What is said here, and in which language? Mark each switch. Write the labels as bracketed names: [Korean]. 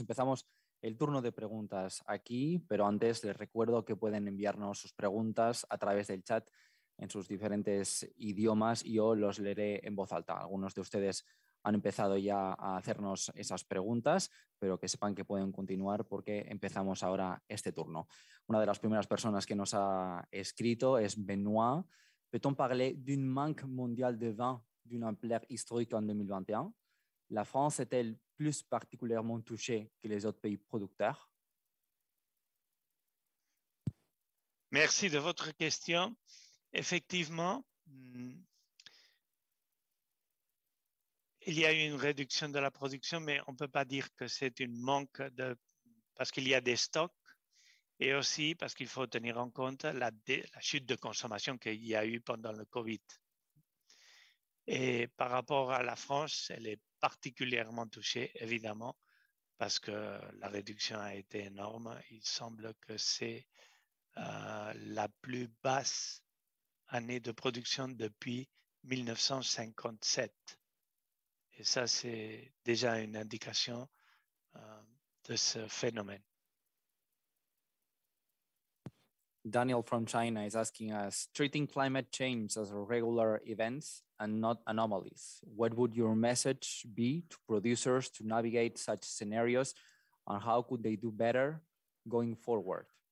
[Spanish] Empezamos el turno de preguntas aquí, pero antes les recuerdo que pueden enviarnos sus preguntas a través del chat en sus diferentes idiomas y yo los leeré en voz alta. Algunos de ustedes han empezado ya a hacernos esas preguntas, pero que sepan que pueden continuar porque empezamos ahora este turno. Una de las primeras personas que nos ha escrito es Benoit. [French] Peut-on parler d'un manque mondial de vin d'une ampleur historique en 2021? La France est-elle plus particulièrement touchée que les autres pays producteurs? Merci de votre question. Effectivement, il y a eu une réduction de la production, mais on ne peut pas dire que c'est un manque parce qu'il y a des stocks et aussi parce qu'il faut tenir en compte la chute de consommation qu'il y a eu pendant le COVID. Et par rapport à la France, elle est particulièrement touchée, évidemment, parce que la réduction a été énorme. Il semble que c'est la plus basse année de production depuis 1957. Et ça, c'est déjà une indication de ce phénomène. [English] Daniel from China is asking us, treating climate change as regular events and not anomalies, what would your message be to producers to navigate such scenarios and how could they do better going forward?